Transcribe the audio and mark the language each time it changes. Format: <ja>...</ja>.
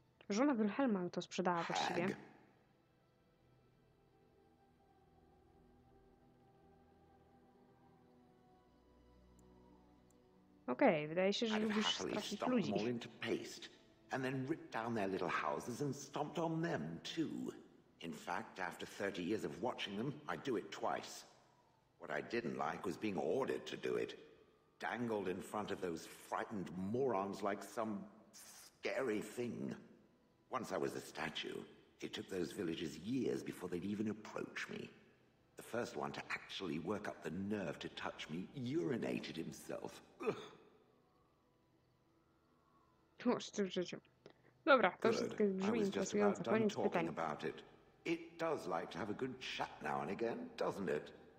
<pl>Żona Wilhelma to sprzedała właściwie. Okej, wydaje się, że lubisz strasznych ludzi.</pl> <en>And then ripped down their little houses and stomped on them, too. In fact, after 30 years of watching them, I'd do it twice. What I didn't like was being ordered to do it. Dangled in front of those frightened morons like some scary thing. Once I was a statue, it took those villagers years before they'd even approach me. The first one to actually work up the nerve to touch me urinated himself. Ugh.</en> <pl>Tu w życiu. Dobra, to wszystko brzmi interesująco. Koniec pytań.</pl> <en>It does like to have a good chat now and again, doesn't it?</en>